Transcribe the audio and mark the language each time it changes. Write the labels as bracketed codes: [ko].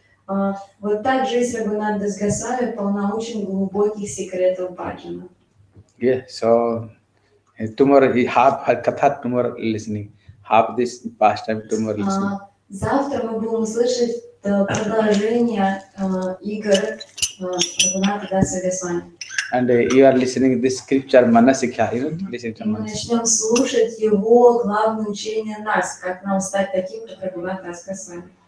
[ru] Вот так жизнь Рагунат Дас Госвами полна очень глубоких секретов баджана. [en] Yeah, so tomorrow, half katha tomorrow listening, half this past time tomorrow listening. [ru] Завтра мы будем слышать продолжение игр Рагунаты Даса Госвами. [en] And you are listening to this scripture, Manasikha, you know, listen to Manasikha. [ru] Мы начнем слушать его главное учение нас, как нам стать таким, как Рагунат Дас Госвами.